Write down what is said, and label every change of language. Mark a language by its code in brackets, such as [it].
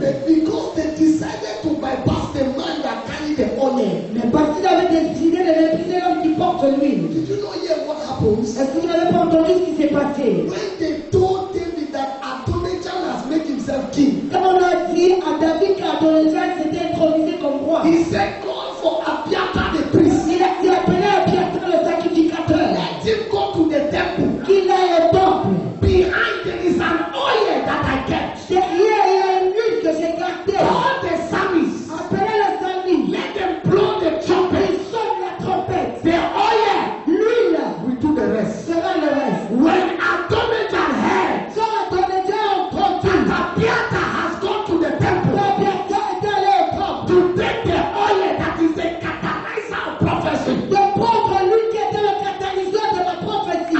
[en] But because they decided to bypass the man that carried the honor. [fr] Mais parce qu'ils avaient décidé de mépriser l'homme qui porte l'huile. [en] Did you not hear what happens? [fr] Est-ce que vous n'avez pas entendu ce qui s'est passé? [en] When they told David that Adonijah has made himself king. [fr] Quand on a dit à David qu'Adonijah s'était intronisé comme roi. [en] He said, "Call for Abiathar the priest." [fr] Il a dit, appelez Abiathar le sacrificateur. [en] Let him go to the temple. [fr] Qu'il aille au temple. [en] Behind there is an oil that I kept. [fr] Derrière, il y a une huile que j'ai gardée. [en] Call the Samis. [fr] Appelez les Samis. [en] Let them blow the trumpet. [fr] Ils sonnent la trompette. [en] The oil. [fr] L'huile. [en] We do the rest. [fr] Sera le reste. [en] When Adonijah heard. [fr] Quand Adonijah entendu. [en] Abiathar has gone to the temple. [fr] Abiathar est allé au temple. [en] To take the oil that is the catalyzer of prophecy. [fr] De prendre l'huile qui était le catalyzer de la prophétie.